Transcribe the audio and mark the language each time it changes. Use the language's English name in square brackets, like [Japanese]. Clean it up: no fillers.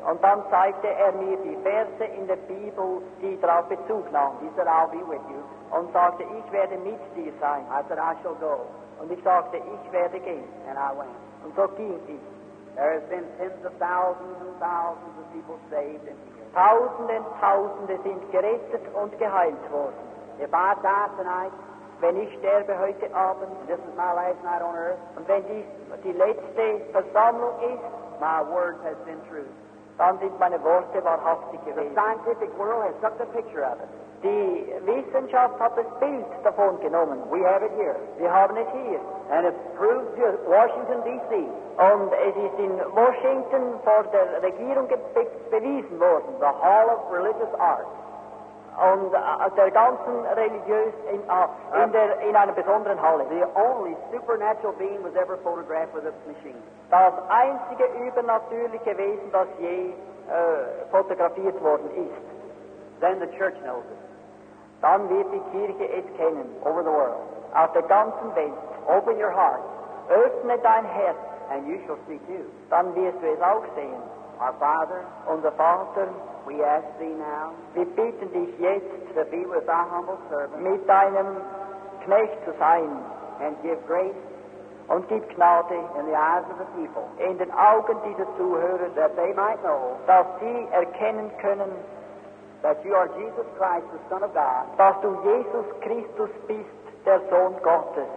[German] Und dann zeigte mir die Verse in der Bibel, die darauf Bezug nahmen. [English] He said, I'll be with you. [German] Und sagte, ich werde mit dir sein. [English] I said, I shall go. [German] Und ich sagte, ich werde gehen. [English] And I went. [German] Und so ging ich. [English] There have been tens of thousands and thousands of people saved and healed. [German] Tausende und Tausende sind gerettet und geheilt worden. [English] If I die tonight, [German] wenn ich sterbe heute Abend, [English] this is my last night on earth, [German] und wenn dies die letzte Versammlung ist, [English] my word has been true. [German] Dann sind meine Worte wahrhaftig gewesen. [English] The scientific world has took a picture of it. [German] Die Wissenschaft hat das Bild davon genommen. [English] We have it here. [German] Wir haben es hier. [English] And it's proved to Washington, D.C. [German] Und es ist in Washington vor der Regierung bewiesen worden. [English] The Hall of Religious Art. [German] Und der ganzen religiös in einer besonderen Halle. [English] The only supernatural being was ever photographed with a machine. [German] Das einzige übernatürliche Wesen, das je fotografiert worden ist. [English] Then the church knows it. [German] Dann wird die Kirche es kennen. [English] Over the world. [German] Auf der ganzen Welt. [English] Open your heart. [German] Öffne dein Herz. [English] And you shall see too. [German] Dann wirst du es auch sehen. [English] Our Father. [German] Unser Vater. [English] We ask thee now. [German] Wir bitten dich jetzt. [English] To be with thy humble servant. [German] Mit deinem Knecht zu sein. [English] And give grace. [German] Und gib Gnade [English] in the eyes of the people, [German] in den Augen dieser Zuhörer, [English] that they might know, [German] dass sie erkennen können, [English] that you are Jesus Christ, the Son of God, [German] dass du Jesus Christus bist, der Sohn Gottes,